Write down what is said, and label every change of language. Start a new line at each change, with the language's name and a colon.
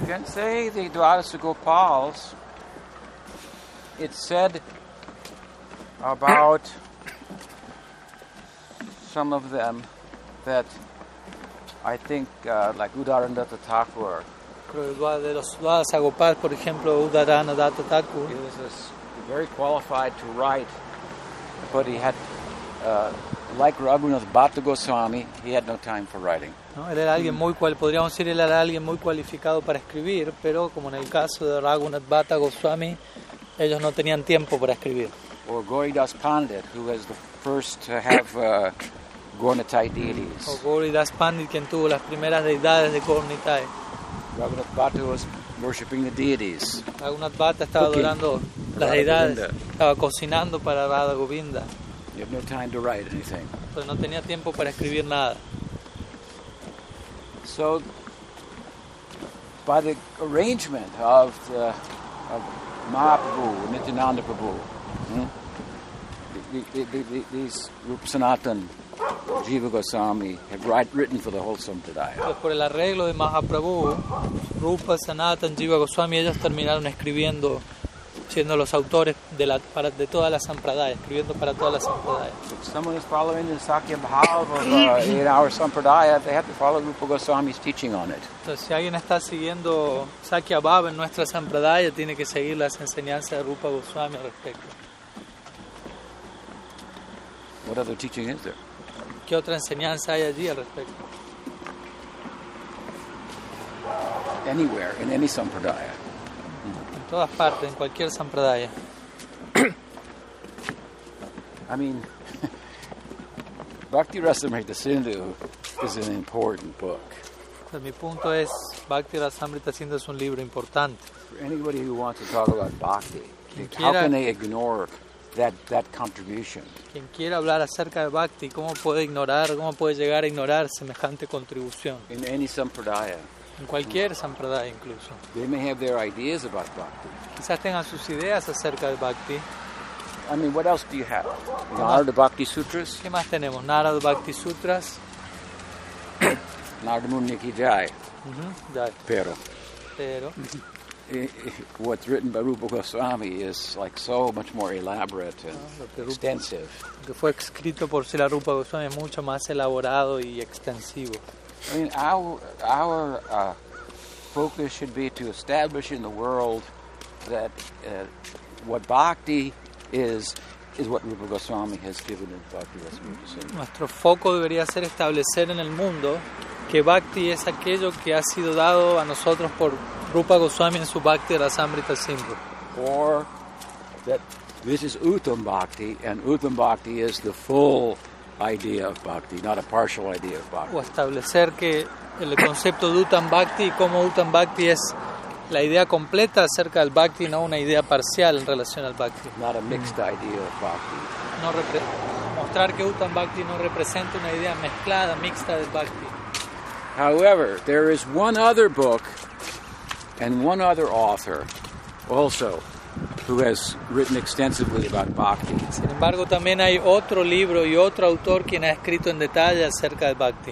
English: You can say the Dwadasa Gopals, it said about some of them that I think like Udarandatta Thakur.
Spanish: De los Dwadasa Gopal, por ejemplo, Udarandatta Thakur.
English: He was very qualified to write, but he had, like Raghunath Bhatta Goswami, he had no time for writing.
Spanish: No, él era alguien muy cual, podríamos decir, él era alguien muy cualificado para escribir, pero como en el caso de Raghunath Bhatta Goswami, ellos no tenían tiempo para escribir.
English: Or Goridas Pandit, who was the first to have Gornitai deities.
Spanish: O Goridas Pandit, quien tuvo las primeras deidades de Gornitai.
English: Raghunath Bhatta was worshipping the deities.
Spanish: Raghunath Bhatta estaba adorando las deidades. Estaba cocinando para Radha Govinda.
English: You have no time to write anything.
Spanish: Pero no tenía tiempo para escribir nada.
English: So, by the arrangement of the of Mahaprabhu, Nityananda Prabhu, these Rupa Sanatan Jiva Goswami had written for the wholesome today.
Spanish: Pues por el arreglo de Mahaprabhu, Rupa Sanatan Jiva Goswami, ellos terminaron escribiendo, siendo los autores de la para de toda la sampradaya, escribiendo para toda la sampradaya.
English: If someone is following the Sakya Bhava of 8-hour sampradaya, they have to follow Rupa Goswami's teaching on it.
Spanish: Entonces, si alguien está siguiendo Sakya Bhava en nuestra sampradaya, tiene que seguir las enseñanzas de Rupa Goswami al respecto.
English: What other teaching is there?
Spanish: ¿Qué otra enseñanza hay allí al respecto?
English: Anywhere, in any sampradaya.
Spanish: En todas partes, en cualquier sampradaya.
English: I mean, Bhakti Rasamrita Sindhu is an important book.
Spanish: Mi punto es, Bhakti Rasamrita Sindhu es un libro importante.
English: For anybody who wants to talk about bhakti, how can they ignore that contribution?
Spanish: Quien quiera hablar acerca de bhakti, ¿cómo puede ignorar, cómo puede llegar a ignorar semejante contribución?
English: In any sampradaya.
Spanish: En cualquier sampradaya incluso.
English: They may have their ideas about bhakti.
Spanish: Quizás tengan sus ideas acerca de bhakti.
English: I mean, what else do you have? Narada Bhakti Sutras.
Spanish: ¿Qué más tenemos? Narada Bhakti Sutras.
Hindi: Narada Muni ki jai. Jai.
Spanish: Pero. Pero.
English: what's written by Rupa Goswami is like so much more elaborate and extensive.
Spanish: Lo que fue escrito por Srila Rupa Goswami es mucho más elaborado y extensivo.
English: I mean, our focus should be to establish in the world that what bhakti is what Rupa Goswami has given in Bhakti Rasamrita Sindhu.
Spanish: Nuestro foco debería ser establecer en el mundo que bhakti es aquello que ha sido dado a nosotros por Rupa Goswami en su Bhakti Rasamrita Sindhu.
English: Or that this is uttam bhakti, and uttam bhakti is the full idea of bhakti, not a partial idea of bhakti.
Spanish: O establecer que el concepto de uttam bhakti y cómo uttam bhakti es la idea completa acerca del bhakti, no una idea parcial en relación al bhakti.
English: Not a mixed idea of bhakti.
Spanish: No mostrar que uttam bhakti no representa una idea mezclada, mixta del bhakti.
English: However, there is one other book and one other author also who has written extensively about bhakti.
Spanish: Sin embargo, también hay otro libro y otro autor quien ha escrito en detalle acerca del bhakti.